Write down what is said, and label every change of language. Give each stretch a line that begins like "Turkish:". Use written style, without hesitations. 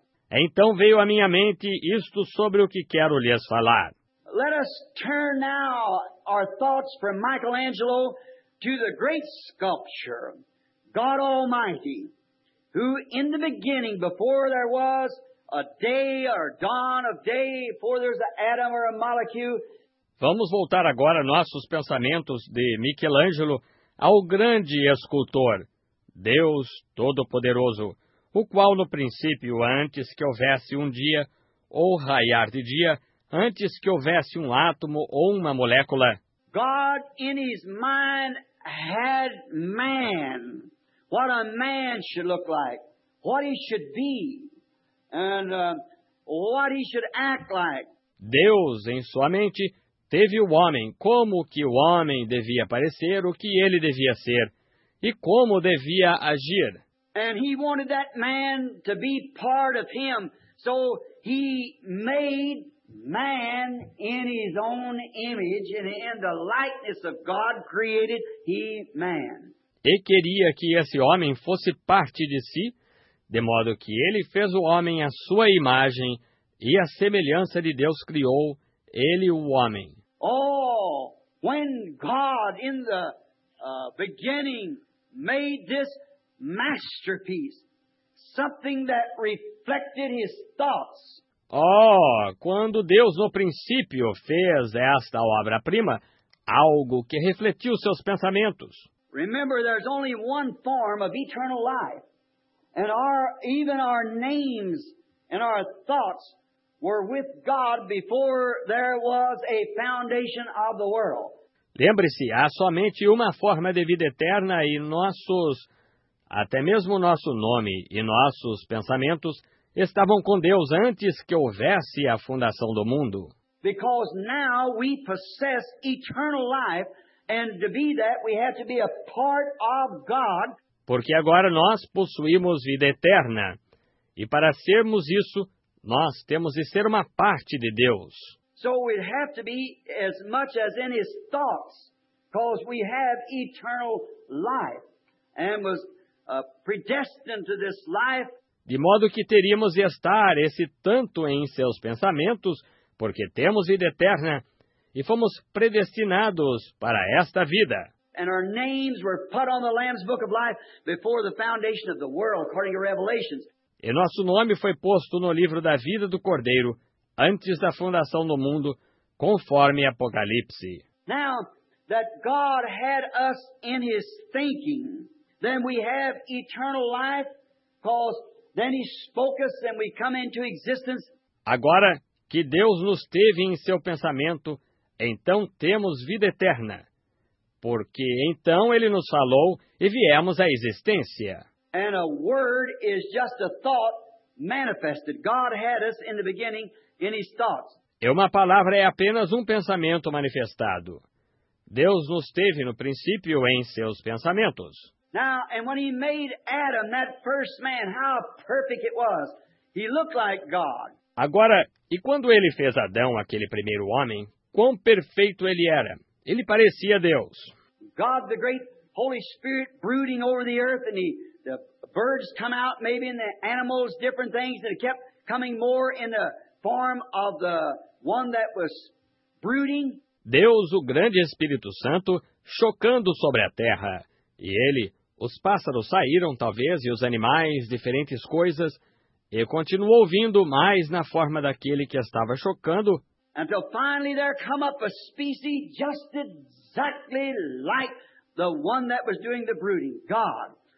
Portuguese: Então veio à minha mente isto sobre o que quero lhes falar.
English: Let us turn now our thoughts from Michelangelo to the great sculptor, God Almighty, who in the beginning, before there was a day or dawn of day, before there's an atom or a molecule.
Portuguese: Vamos voltar agora nossos pensamentos de Michelangelo ao grande escultor, Deus Todo-Poderoso, o qual no princípio, antes que houvesse um dia ou raiar de dia, antes que houvesse um átomo ou uma molécula.
English: God in his mind had man, what a man should look like, what he should be. And what he should act like.
Portuguese: Deus, em sua mente, teve o homem, como que o homem devia parecer, o que ele devia ser, e como devia agir.
English: And he wanted that man to be part of him, so he made man in his own image, and in the likeness of God created he man.
Portuguese: E queria que esse homem fosse parte de si, de modo que ele fez o homem à sua imagem e à semelhança de Deus criou ele o homem.
English: Oh, when God in the beginning made this masterpiece, something that reflected his thoughts.
Portuguese: Oh, quando Deus no princípio fez esta obra-prima, algo que refletiu seus pensamentos.
English: Remember, there's only one form of eternal life. And even our names and our thoughts were with God before there was a foundation of the world.
Portuguese: Lembre-se, há somente uma forma de vida eterna e até mesmo nosso nome e nossos pensamentos estavam com Deus antes que houvesse a fundação do mundo.
English: Because now we possess eternal life, and to be that we have to be a part of God.
Portuguese: Porque agora nós possuímos vida eterna, e para sermos isso, nós temos de ser uma parte de Deus.
English: So we have to be as much as in His thoughts, because we have eternal life, and was predestined to this life.
Portuguese: De modo que teríamos de estar esse tanto em seus pensamentos, porque temos vida eterna, e fomos predestinados para esta vida.
English: And our names were put on the Lamb's Book of Life before the foundation of the world, according to Revelations.
Portuguese: E nosso nome foi posto no livro da vida do Cordeiro, antes da fundação do mundo, conforme Apocalipse.
English: Now that God had us in His thinking, then we have eternal life, because then He spoke us and we come into existence.
Portuguese: Agora que Deus nos teve em seu pensamento, então temos vida eterna, porque então Ele nos falou e viemos à existência.
English: And a word is just a thought manifested. God had us in the beginning in His thoughts.
Portuguese: E uma palavra é apenas um pensamento manifestado. Deus nos teve no princípio em seus pensamentos.
English: Now, and when He made Adam, that first man, how perfect it was. He looked like God.
Portuguese: Agora, e quando Ele fez Adão, aquele primeiro homem, quão perfeito ele era. Ele parecia Deus.
English: God, the great Holy Spirit, brooding over the earth, and the birds come out, maybe in the animals, different things, and it kept coming more in the form of the one that was brooding.
Portuguese: Deus, o grande Espírito Santo, chocando sobre a terra. E ele, os pássaros saíram, talvez, e os animais, diferentes coisas, e continuou vindo mais na forma daquele que estava chocando.
English: Until finally there come up a species just exactly like the one that was doing the brooding, God.